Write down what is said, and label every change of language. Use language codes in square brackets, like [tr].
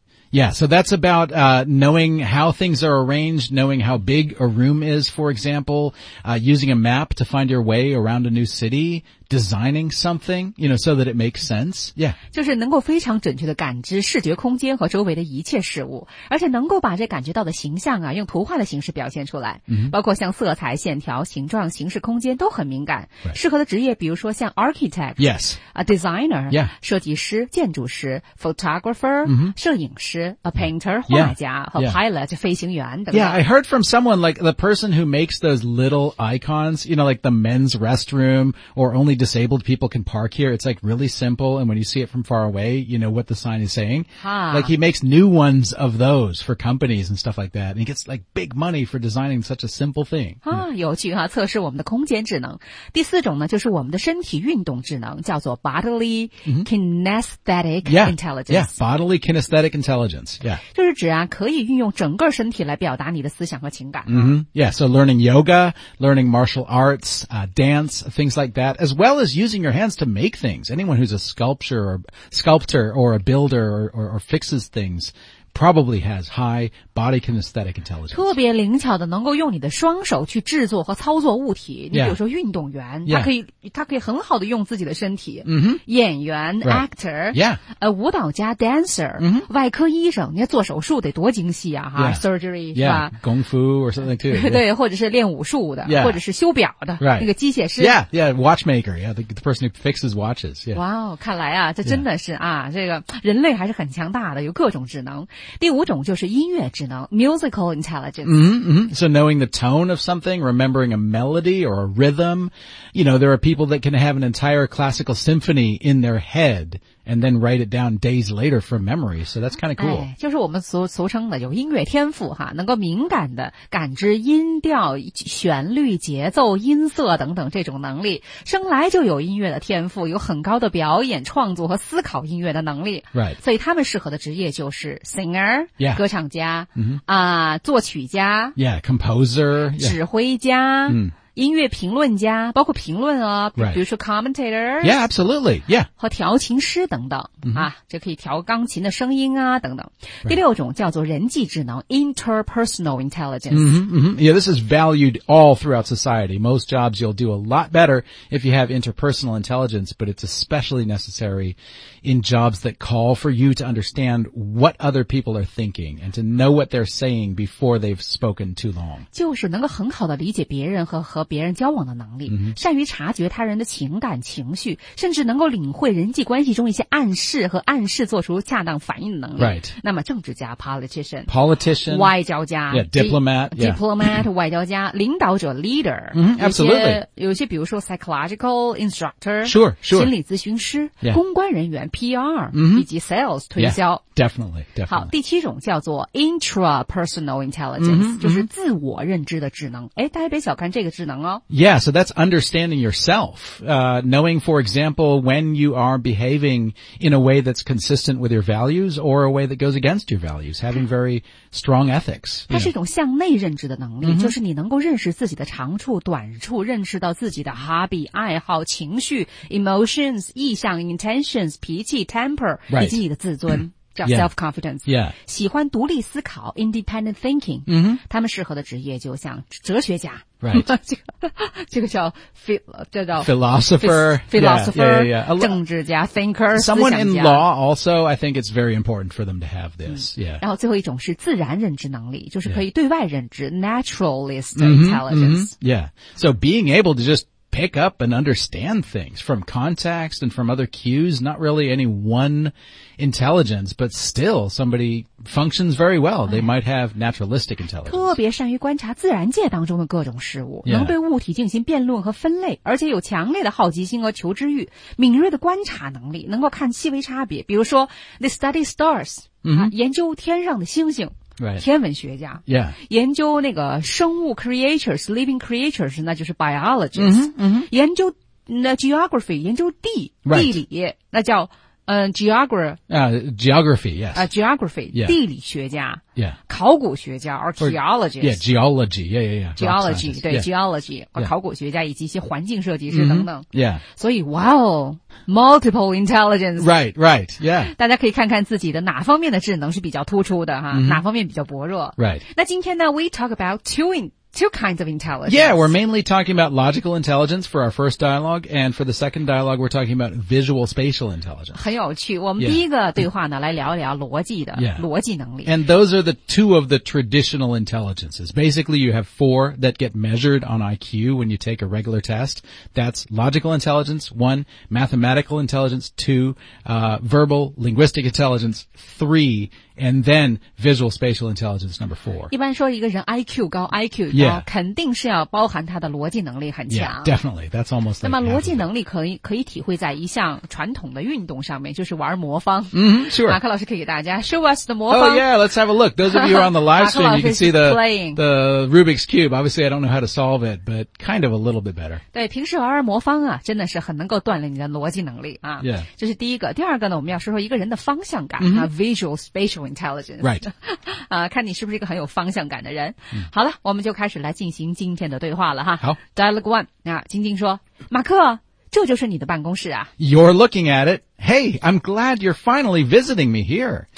[en] Yeah, so that's about, knowing how things are arranged, knowing how big a room is, for example, using a map to find your way around a new city, designing something, you know, so that it makes sense. Yeah. [zh] 就是能够非常准确地感知视觉空间和周围的一切事物，而且能够把这感觉到的形象啊，用图画的形式表现出来。 Mm-hmm. 包括像色彩、线条、形状、形式、空间都很敏感。 [en] Right. [zh] 适合的职业比如说像 [en] architect. Yes. A designer. Yeah. [zh] 设计师、建筑师、 [en] photographer,、 mm-hmm. [zh] 摄影师。 [en] A painter, [zh] 画家 [en] yeah, [zh] 和 [en] pilot, yeah. [zh] 飞行员等等。 [en] Yeah, I heard from someone like the person who makes those little icons, you know, like the men's restroom or only disabled people can park here. It's like really simple. And when you see it from far away, you know what the sign is saying.、 Huh. Like he makes new ones of those for companies and stuff like that. And he gets like big money for designing such a simple thing. [zh] 啊、huh, 有趣啊，测试我们的空间智能。第四种呢就是我们的身体运动智能，叫做 [en] bodily kinesthetic、 mm-hmm. intelligence. Yeah, yeah, bodily kinesthetic intelligence. Yeah. [zh] 就是指啊，可以运用整个身体来表达你的思想和情感。 Mm-hmm. [en] Yeah, so learning yoga, learning martial arts, dance, things like that, as well as using your hands to make things. Anyone who's a sculptor or a builder or fixes things probably has high body kinesthetic intelligence. [zh] 特别灵巧的能够用你的双手去制作和操作物体。你比如说运动员、 [en] yeah. [zh] 他可以很好的用自己的身体。 Mm-hmm. 演员、 [en] right. actor, yeah. [zh] 舞蹈家 [en] dancer,、 mm-hmm. [zh] 外科医生，你要做手术得多精细啊、 [en] yeah. surgery, yeah. [zh] 是吧 [en] Kung fu or something too. [zh] 对、 [en] yeah. [zh] 或者是练武术的、 [en] yeah. [zh] 或者是修表的、 [en] right. [zh] 那个机械师。 [en] Yeah, yeah, watchmaker, yeah, the person who fixes watches. Yeah. [zh] Wow, 看来啊这真的是啊、 [en] yeah. [zh] 这个人类还是很强大的，有各种智能。第五种就是音乐智能 [en] musical intelligence. Mm-hmm, mm-hmm. So knowing the tone of something, remembering a melody or a rhythm. You know, there are people that can have an entire classical symphony in their head and then write it down days later from memory. So that's kind of cool.、 [zh] 哎、就是我们俗称的有音乐天赋哈，能够敏感的感知音调、旋律、节奏、音色等等这种能力，生来就有音乐的天赋，有很高的表演、创作和思考音乐的能力。 [en] Right. [zh] 所以他们适合的职业就是 [en] singer、 yeah. [zh] 歌唱家、 mm-hmm. 作曲家、 [en] yeah. composer、 [zh] 指挥家、 [en] yeah. mm. [zh] 音乐评论家，包括评论啊、 [en] right. [zh] 比如说 [en] commentator. Yeah, absolutely. Yeah. [zh] 和调琴师等等、 mm-hmm. 啊，这可以调钢琴的声音啊等等。 [en] Right. [zh] 第六种叫做人际智能 [en] interpersonal intelligence. Mm-hmm, mm-hmm. Yeah, this is valued all throughout society. Most jobs you'll do a lot better if you have interpersonal intelligence, but it's especially necessary in jobs that call for you to understand what other people are thinking and to know what they're saying before they've spoken too long. [zh] 就是能够很好的理解别人和别人交往的能力、 mm-hmm. 善于察觉他人的情感情绪甚至能够领会人际关系中一些暗示和暗示做出恰当反应的能力、 [en] right. [zh] 那么政治家 [en] politician, politician [zh] 外交家 [en] yeah, diplomat, yeah. diplomat [zh] 外交家领导者 [en] leader、 mm-hmm. absolutely. [zh] 有些比如说 [en] psychological instructor sure, sure. [zh] 心理咨询师、 [en] yeah. [zh] 公关人员 PR、 mm-hmm. 以及 [en] sales [zh] 推销、 [en] yeah. definitely, definitely. [zh] 好，第七种叫做 [en] intrapersonal intelligence、 mm-hmm. [zh] 就是自我认知的智能、mm-hmm. 大家别小看这个智能哦。 [en] Yeah, so that's understanding yourself, knowing, for example, when you are behaving in a way that's consistent with your values or a way that goes against your values, having very strong ethics. [zh] 它是一种向内认知的能力、就是你能够认识自己的长处、短处认识到自己的 [en] hobby, [zh] 爱好、情绪 [en] emotions, [zh] 意向 [en] intentions, [zh] 脾气 [en] temper、 right. [zh] 以及你的自尊叫 [en] self-confidence、 yeah. Yeah. [zh] 喜欢独立思考 [en] independent thinking、 mm-hmm. [zh] 他们适合的职业就像哲学家 [en] Right. [zh] 这个叫 [en] philosopher, philosopher, yeah, yeah, yeah. [zh] 政治家 [en] thinker, someone in law also, I think it's very important for them to have this.、嗯、 yeah. [zh] 然后最后一种是自然认知能力，就是可以对外认知 [en] naturalist intelligence. Mm-hmm, mm-hmm. Yeah. So being able to just pick up and understand things from context and from other cues, not really any one intelligence, but still somebody functions very well. They might have naturalistic intelligence. [zh] 特别善于观察自然界当中的各种事物、 [en] yeah. [zh] 能对物体进行辩论和分类，而且有强烈的好奇心和求知欲，敏锐的观察能力，能够看细微差别，比如说 [en] they study stars、 mm-hmm. [zh] 啊、研究天上的星星 [en] Right. [zh] 天文学家、 [en] yeah. [zh] 研究那个生物 [en] creatures, living creatures, [zh] 那就是 [en] biologists, mm-hmm, mm-hmm. [zh] 研究那 [en] geography, [zh] 研究地、 [en] right. [zh] 地理那叫 [en] geography, yes. Geography,、 yeah. [zh] 地理学家、 [en] yeah. [zh] 考古学家 [en] archaeologist. Yeah, geology, yeah, yeah, yeah. Geology, [zh] 对、 [en] yeah. geology,、 yeah. [zh] 考古学家以及一些环境设计师等等。 [en] Mm-hmm. Yeah. [zh] 所以 [en] wow, multiple intelligence. Right, right, yeah. [zh] 大家可以看看自己的哪方面的智能是比较突出的哈、 mm-hmm. 哪方面比较薄弱。 [en] Right. [zh] 那今天呢 [en] we talk about two kinds of intelligence. Yeah, we're mainly talking about logical intelligence for our first dialogue, and for the second dialogue, we're talking about visual spatial intelligence. [zh] 很有趣，我们第一个对话呢，来聊一聊逻辑的、 [en] yeah. [zh] 逻辑能力。 [en] And those are the two of the traditional intelligences. Basically, you have four that get measured on IQ when you take a regular test. That's logical intelligence, one, mathematical intelligence, two, verbal, linguistic intelligence, three,And then visual spatial intelligence number four. [zh] 一般说一个人 IQ 高 IQ 高、 [en] yeah. [zh] 肯定是要包含他的逻辑能力很强。 [en] Yeah, definitely. That's almost like [zh] 那么逻辑能力可以体会在一项传统的运动上面就是玩魔方。 [en] Mm-hmm, sure. [zh] 马克老师可以给大家 [en] show us the [zh] 魔方。 [en] Oh yeah, let's have a look. Those of you who are on the live stream, you can see the Rubik's Cube. Obviously, I don't know how to solve it, but kind of a little bit better. [zh] 对，平时玩魔方啊真的是很能够锻炼你的逻辑能力啊。 [en] Yeah. [zh] 这是第一个。第二个呢我们要说说一个人的方向感、 mm-hmm. [en] 啊 visual spatial intelligence. Right. [zh] 看你是不是一个很有方向感的人。嗯、好了我们就开始来进行今天的对话了哈。好。 [en] Dialogue one. [zh] 那晶晶说马克这就是你的办公室啊。 [en] You're looking at it. Hey, I'm glad you're finally visiting me here.